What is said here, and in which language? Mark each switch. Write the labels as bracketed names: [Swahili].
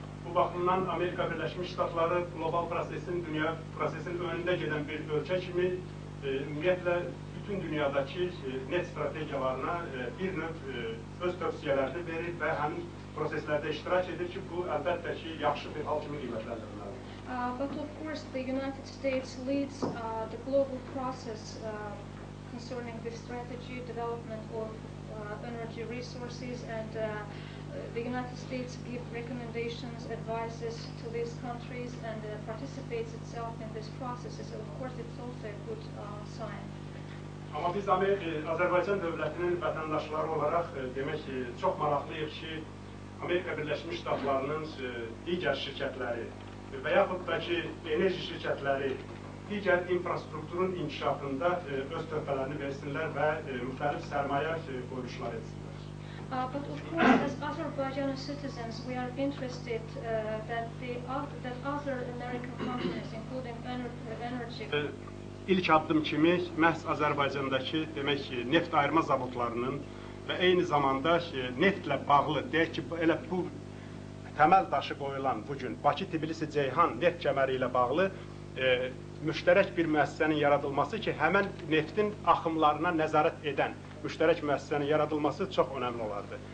[Azerbaijani] Bu baxımdan Amerika Birləşmiş Ştatları qlobal prosesin, dünya prosesin önündə gedən bir ölkə kimi ümumiyyətlə bütün dünyadakı neft strategiyalarına bir növ öz tövsiyələrini verir və həmin proseslərdə iştirak edir ki, bu əlbəttə ki, yaxşı bir hal kimi qiymətləndirilir. [English] But of course, the United States leads the global process concerning the strategy development of energy resources and the United States give recommendations, advices to these countries and participates itself in this process. So of course it's also a good sign. [Azerbaijani] Amma biz Azərbaycan dövlətinin vətəndaşları olaraq demək çox maraqlıyıq ki, Amerika Birləşmiş Ştatlarının digər şirkətləri və yaxud da ki, enerji şirkətləri digər infrastrukturun inkişafında öz töhfələrini versinlər və müxtəlif sərmayə qoyuşlar etsinlər. [English] But of course, as Azerbaijani citizens, we are interested that the that other American companies, including energy. [Azerbaijani] İlk addım kimi məhz Azərbaycandakı demək ki, neft ayırma zavodlarının və eyni zamanda neftlə bağlı, deyək ki, elə bu təməl daşı qoyulan bugün Bakı-Tbilisi-Ceyhan neft kəməri ilə bağlı müştərək bir müəssisənin yaradılması ki, həmin neftin axımlarına nəzarət edən müştərək müəssisənin yaradılması çox önəmli olardı.